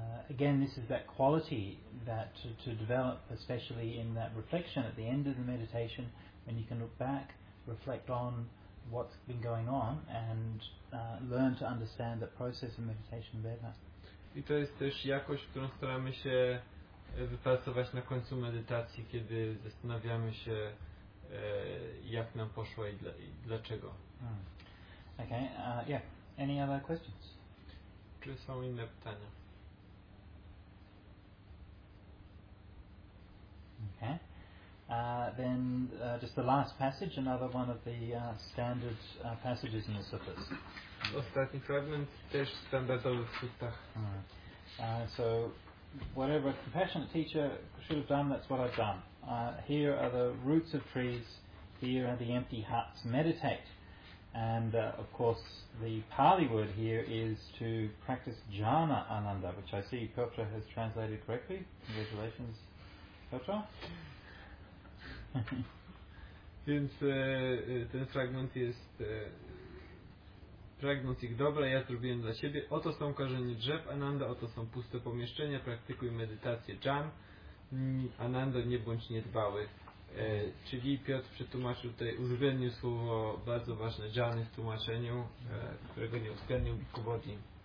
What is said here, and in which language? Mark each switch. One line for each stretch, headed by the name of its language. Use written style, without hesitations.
English: Again, this is that quality that to develop, especially in that reflection at the end of the meditation, when you can look back, reflect on what's been going on, and learn to understand the process of meditation better.
Polish: I to jest też jakość, którą staramy się wypracować na końcu medytacji, kiedy zastanawiamy się, jak nam poszło i dlaczego.
English: Okay, yeah. Any other questions?
Polish: Czy są inne pytania?
English: Okay. Then just the last passage, another one of the standard passages in the suttas.
Polish: Ostatni fragment też standardowy w suttach.
English: So, whatever a compassionate teacher should have done, that's what I've done. Here are the roots of trees, here are the empty huts, meditate. And of course, the Pali word here is to practice jhana ananda, which I see Petra has translated correctly. Congratulations, Petra.
Polish: Więc ten fragment jest pragnąc ich dobra, ja zrobiłem dla siebie. Oto są korzenie drzew, Ananda, oto są puste pomieszczenia, praktykuj medytację, Jan. Ananda, nie bądź niedbały. Czyli Piotr przetłumaczył tutaj, uwzględnił słowo bardzo ważne, Jan w tłumaczeniu, którego nie uwzględnił Bhikkhu Bodhi.